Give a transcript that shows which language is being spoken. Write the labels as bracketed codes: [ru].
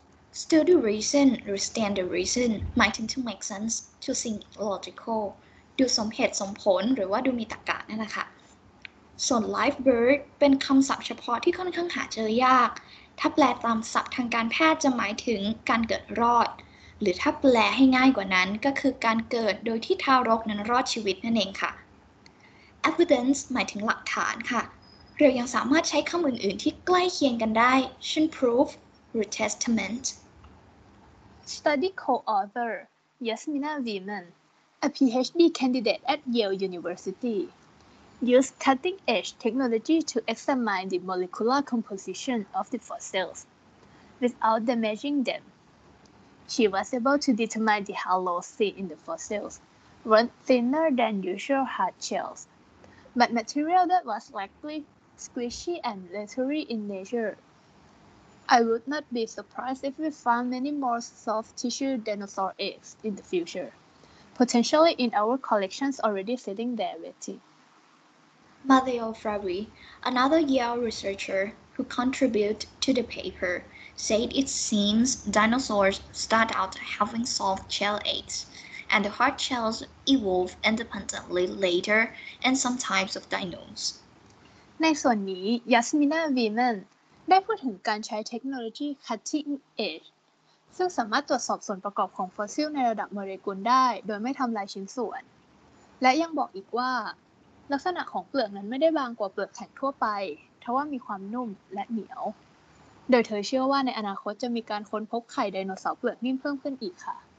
[en] Still the reason or stand the reason [th] หมายถึง [en] to make sense to seem logical [th] ดูสมเหตุสมผลหรือว่าดูมีตรรกะนั่นแหละค่ะส่วน live bird เป็นคำศัพท์เฉพาะที่ค่อนข้างหาเจอยากถ้าแปลตามศัพท์ทางการแพทย์จะหมายถึงการเกิดรอด หรือถ้าแปลให้ง่ายกว่านั้นก็คือการเกิดโดยที่ทารกนั้นรอดชีวิตนั่นเองค่ะ evidence หมายถึงหลักฐานค่ะเรายังสามารถใช้คำอื่นๆที่ใกล้เคียงกันได้เช่น proof หรือ testament [en] study co-author Yasmina Lehman, a PhD candidate at Yale University, used cutting-edge technology to examine the molecular composition of the fossils without damaging them. She was able to determine the hollows seen in the fossils weren't thinner than usual hard shells, but material that was likely squishy and leathery in nature. I would not be surprised if we find many more soft tissue dinosaur eggs in the future, potentially in our collections already sitting there waiting. Matteo Fravi, another Yale researcher who contributed to the paper, said it seems dinosaurs start out having soft shell eggs, and the hard shells evolve independently later in some types of dinos. [th] ในส่วนนี้ Yasmina Wiemannได้พูดถึงการใช้เทคโนโลยี cutting edge ซึ่งสามารถตรวจสอบส่วนประกอบของฟอสซิลในระดับโมเลกุลได้โดยไม่ทำลายชิ้นส่วนและยังบอกอีกว่าลักษณะของเปลือกนั้นไม่ได้บางกว่าเปลือกแข็งทั่วไปทว่ามีความนุ่มและเหนียวโดยเธอเชื่อว่าในอนาคตจะมีการค้นพบไข่ไดโนเสาร์เปลือกนิ่มเพิ่มขึ้นอีกค่ะ